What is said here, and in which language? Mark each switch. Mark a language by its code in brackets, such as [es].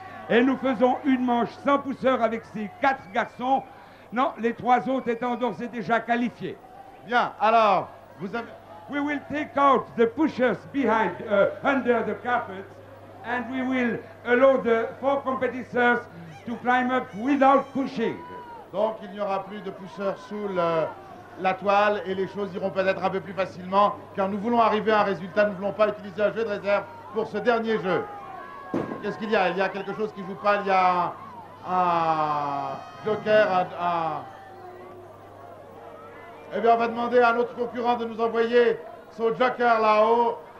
[fr] Et nous faisons une manche sans pousseurs avec ces quatre garçons. Non, les trois autres étant d'ores et déjà qualifiés. Bien, alors, vous avez... [en] We will take out the pushers behind, under the carpet, and we will allow the four competitors to climb up without pushing. [fr] Donc, il n'y aura plus de pushers sous la toile, et les choses iront peut-être un peu plus facilement, car nous voulons arriver à un résultat, nous ne voulons pas utiliser un jeu de réserve pour ce dernier jeu. qu'est-ce qu'il y a? Il y a quelque chose qui vous parle, il y a un joker, Eh bien, on va demander à notre concurrent de nous envoyer son joker là-haut.